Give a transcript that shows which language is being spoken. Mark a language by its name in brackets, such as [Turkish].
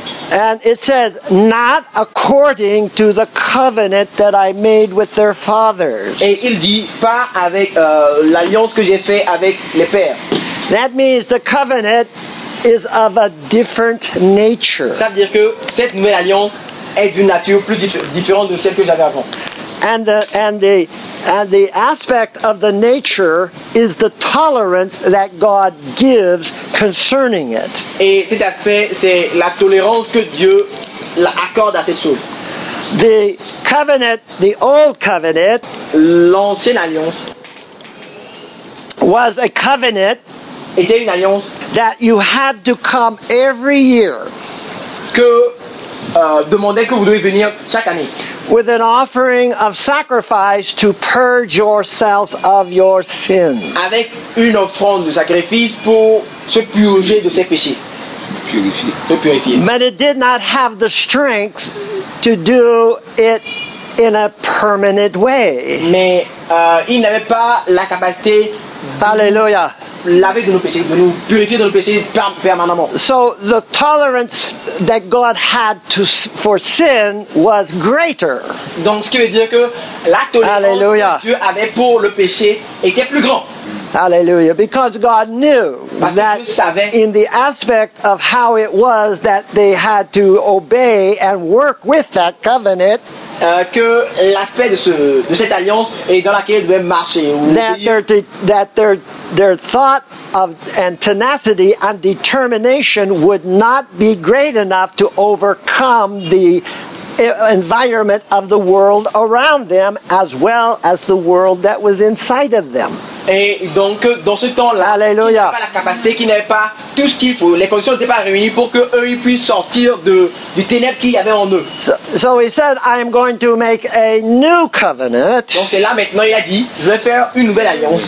[English] And it says, not according to the covenant that I made with their fathers. [French] Et il dit, pas avec l'alliance que j'ai fait avec les pères. [English] That means the covenant is of a different nature. [French] Ça veut dire que cette nouvelle alliance est d'une nature plus différente de celle que j'avais avant. [English] And the aspect of the nature is the tolerance that God gives concerning it. [French] Et cet aspect, c'est la tolérance que Dieu accorde à ces choses. [English] The covenant, the old covenant, [French] l'ancienne alliance, [English] was a covenant, [French] était une alliance, [English] that you had to come every year, [French] que demandait que vous devez venir chaque année. [English] With an offering of sacrifice to purge yourselves of your sins. [French] Avec une offrande de sacrifice pour se purger de ses péchés. Se purifier. [English] But it did not have the strength to do it in a permanent way. [French] Mais il n'avait pas la capacité [English] Hallelujah. [French] Laver de nos péchés, de nous purifier de nos péchés permanemment. [English] So the tolerance that God had to for sin was greater. [French] Donc ce qui veut dire que la tolérance [English] Hallelujah. [French] Que Dieu avait pour le péché était plus grand. [English] Hallelujah. Because God knew that in the aspect of how it was that they had to obey and work with that covenant, [French] que l'aspect de cette alliance est dans laquelle ils devaient marcher. [English] That their thought of and tenacity and determination would not be great enough to overcome the environment of the world around them as well as the world that was inside of them. [French] Et donc dans ce temps-là, ils n'avaient pas la capacité, qui n'avaient pas tout ce qu'il faut. Les conditions n'étaient pas réunies pour que eux ils puissent sortir de du ténèbre qu'il y avait en eux. [English] So he said, I am going to make a new covenant. [French] Donc c'est là maintenant il a dit, je vais faire une nouvelle alliance.